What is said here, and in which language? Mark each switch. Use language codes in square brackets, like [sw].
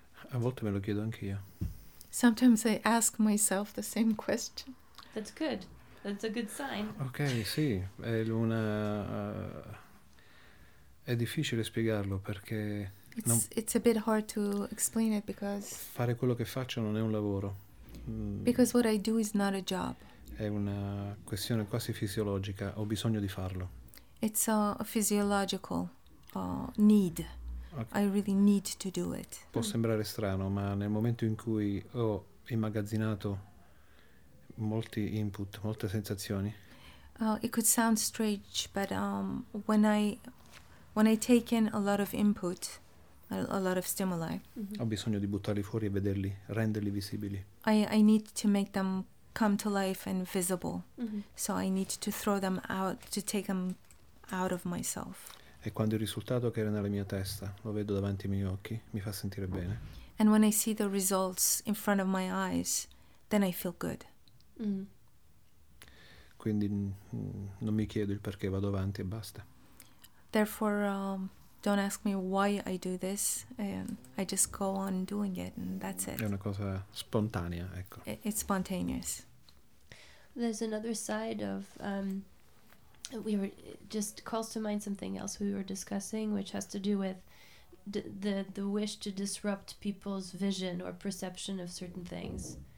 [it] A volte me lo chiedo anch'io. [en] Sometimes I ask myself the same question. That's good. That's a good sign. [it] Ok, sì. È una... è difficile spiegarlo perché... [en] It's a bit hard to explain it because... [it] Fare quello che faccio non è un lavoro. [en] Because what I do is not a job. [it] È una questione quasi fisiologica. Ho bisogno di farlo. [en] It's a physiological need. Okay. I really need to do it. [it] Può sembrare strano, ma nel momento in cui ho immagazzinato molti input, molte sensazioni. [en] It could sound strange, but when I take in a lot of input, a lot of stimuli. Mm-hmm. [it] Ho bisogno di buttarli fuori e vederli, renderli visibili. [en] I need to make them come to life and visible. Mm-hmm. So I need to throw them out, to take them out of myself. [it] E quando il risultato che era nella mia testa lo vedo davanti ai miei occhi, mi fa sentire bene. [en] And when I see the results in front of my eyes, then I feel good. Mm. [it] Quindi non mi chiedo il perché, vado avanti e basta. [en] Therefore, don't ask me why I do this. I just go on doing it and that's it. [it] È una cosa spontanea, ecco. [en] It's spontaneous. There's another side of... just calls to mind something else we were discussing, which has to do with the wish to disrupt people's vision or perception of certain things.